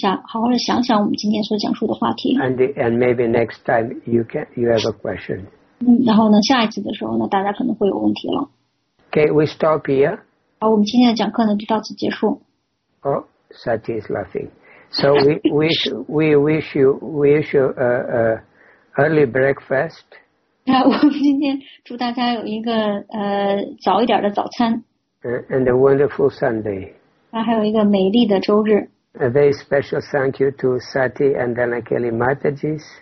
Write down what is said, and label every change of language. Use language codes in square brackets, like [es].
[en] And maybe next time you have a question. [zh] 然后呢，下一次的时候呢，大家可能会有问题了。 [en] Okay, we stop here. [zh] 好，我们今天的讲课呢就到此结束。 [en] Oh, Sati is laughing. So we wish you a early breakfast. [zh] 我们今天祝大家有一个早一点的早餐。 [en] And a wonderful Sunday. [zh] 还有一个美丽的周日。 [en] A very special thank you to Sati and Anakeli Mataji.